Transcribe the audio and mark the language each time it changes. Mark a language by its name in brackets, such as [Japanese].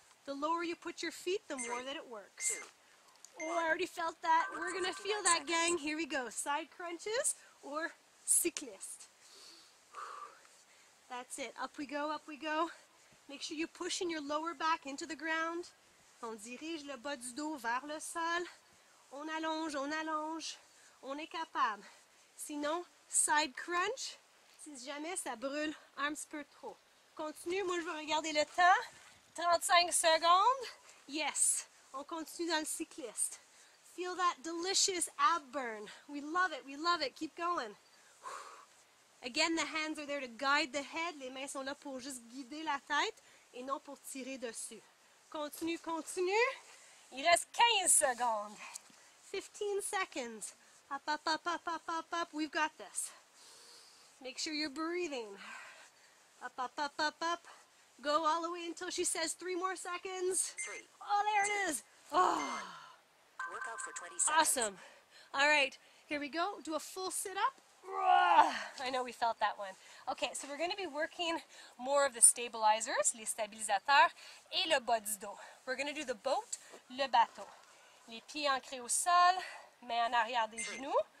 [English] The lower you put your feet, the more that it works. Oh, I already felt that. We're going to feel that, gang. Here we go. Side crunches or cycliste. That's it. Up we go, up we go. Make sure you're pushing your lower back into the ground. [French] On dirige le bas du dos vers le sol. On allonge, on allonge. On est capable. Sinon, side crunch. Si jamais ça brûle un petit peu trop. Continue. Moi, je vais regarder le temps. 35 secondes. Yes. On continue dans le cycliste. [English] Feel that delicious ab burn. We love it. We love it. Keep going. Again, the hands are there to guide the head. [French] Les mains sont là pour juste guider la tête et non pour tirer dessus. Continue, continue. Il reste 15 secondes. [English] 15 seconds. Up, up, up, up, up, up, up. We've got this. Make sure you're breathing. Up, up, up, up, up. Go all the way until she says 3 more seconds. 3. Oh, there it is. Oh. Work out for 20 seconds. Awesome. All right. Here we go. Do a full sit-up. I know we felt that one. Okay, so we're going to be working more of the stabilizers, [French] les stabilisateurs, et le bas du dos. [English] We're going to do the boat, [French] le bateau. Les pieds ancrés au sol, mains en arrière des genoux.